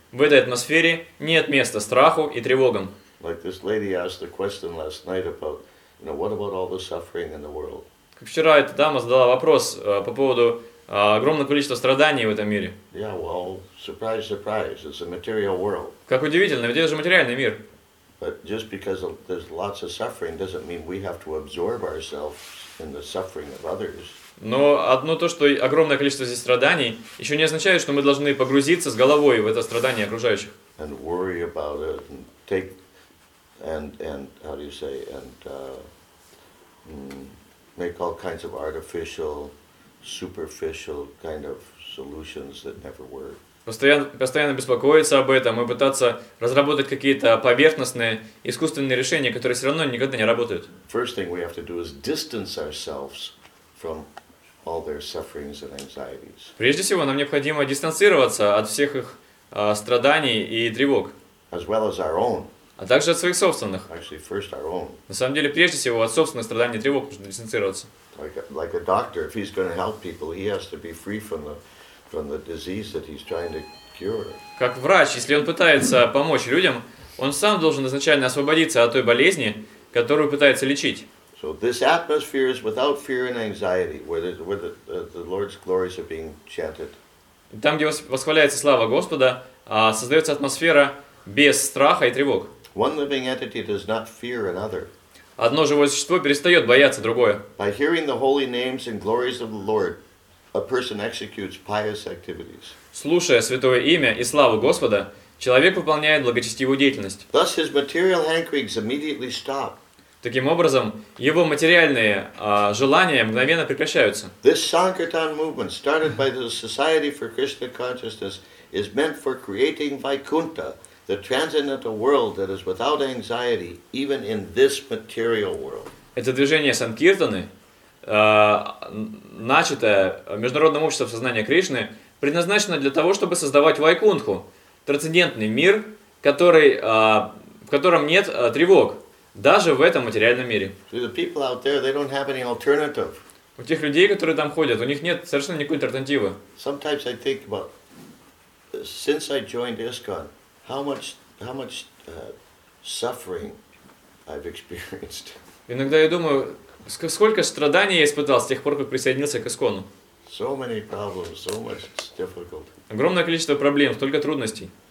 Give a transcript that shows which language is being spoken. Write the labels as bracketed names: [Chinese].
[Russian] В этой атмосфере нет места страху и тревогам. [English] Like this lady asked the question last night about, you know, what about all the suffering in the world? [Russian] Как вчера эта дама задала вопрос по поводу огромное количество страданий в этом мире. [English] Yeah, well, surprise, surprise, it's a material world. [Russian] Как удивительно, ведь это же материальный мир. [English] But just because there's lots of suffering doesn't mean we have to absorb ourselves in the suffering of others. [Russian] Но одно то, что огромное количество здесь страданий, еще не означает, что мы должны погрузиться с головой в это страдание окружающих. [English] And worry about it, and take, and how do you say, and make all kinds of artificial, superficial kind of solutions that never work. [Russian] Постоянно беспокоиться об этом и пытаться разработать какие-то поверхностные искусственные решения, которые все равно никогда не работают. [English] First thing we have to do is distance ourselves from all their sufferings and anxieties. [Russian] Прежде всего, нам необходимо дистанцироваться от всех их страданий и тревог. [English] As well as our own. [Russian] А также от своих собственных. [English] Actually, first our own. [Russian] На самом деле, прежде всего, от собственных страданий и тревог нужно дистанцироваться. [English] Like a doctor, if he's going to help people, he has to be free from the disease that he's trying to cure. [Russian] Как врач, если он пытается помочь людям, он сам должен изначально освободиться от той болезни, которую пытается лечить. [English] So this atmosphere is without fear and anxiety, where the Lord's glories are being chanted. [Russian] Там, где восхваляется слава Господа, создается атмосфера без страха и тревог. [English] One living entity does not fear another. [Russian] Одно живое существо перестает бояться другое. [English] By hearing the holy names and glories of the Lord, a person executes pious activities. [Russian] Слушая святое имя и славу Господа, человек выполняет благочестивую деятельность. [English] Thus his material hankerings immediately stop. [Russian] Таким образом, его материальные желания мгновенно прекращаются. [English] This Sankirtan movement, started by the Society for Krishna Consciousness, is meant for creating Vaikuntha, the transcendental world that is without anxiety, even in this material world. [Russian] Это движение Санкиртаны, начатое Международным обществом сознания Кришны, предназначено для того, чтобы создавать Вайкунтху, трансцендентный мир, в котором нет тревог. Даже в этом материальном мире. [English] See, the people out there, they don't have any alternative. [Russian] У тех людей, которые там ходят, у них нет совершенно никакой альтернативы. [English] Sometimes I think about, since I joined ISKCON, how much suffering I've experienced. [Russian] Иногда я думаю, сколько страданий я испытал с тех пор, как присоединился к Искону. [English] So many problems, so much difficult. [Russian] Огромное количество проблем, столько трудностей.